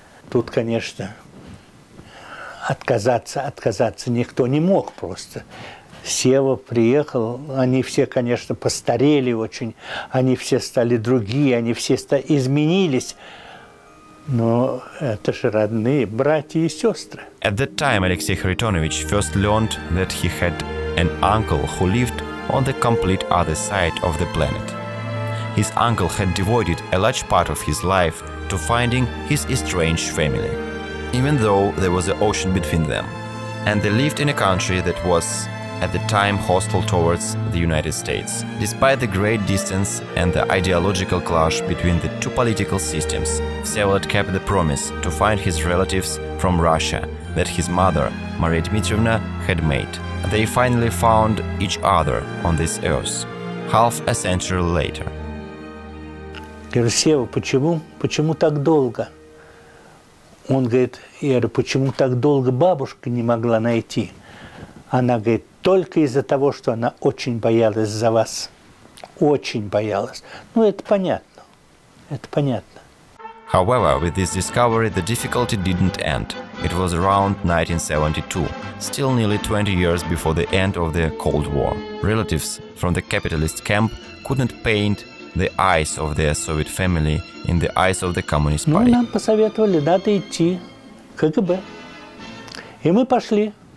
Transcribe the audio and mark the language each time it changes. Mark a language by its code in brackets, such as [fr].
[ru] Тут, конечно, отказаться никто не мог просто. Сева приехал, они все, конечно, постарели очень, они все стали другие, они все изменились. Но это же родные братья и сестры. [en] At that time Алексей Харитонович first learned that he had an uncle who lived on the complete other side of the planet. His uncle had devoted a large part of his life to finding his estranged family, even though there was an ocean between them. And they lived in a country that was at the time hostile towards the United States. Despite the great distance and the ideological clash between the two political systems, Vsevolod kept the promise to find his relatives from Russia that his mother, Maria Dmitrievna, had made. They finally found each other on this earth, half a century later. [ru] Я говорю, Сева, почему? Почему так долго? Он говорит, я говорю, почему так долго бабушка не могла найти? Она говорит, только из-за того, что она очень боялась за вас. Очень боялась. Ну, это понятно. Это понятно. [en] However, with this discovery, the difficulty didn't end. It was around 1972, still nearly 20 years before the end of the Cold War. Relatives from the capitalist camp couldn't paint the eyes of their Soviet family in the eyes of the Communist Party. [ru] Ну, нам посоветовали, надо идти в КГБ. И мы пошли.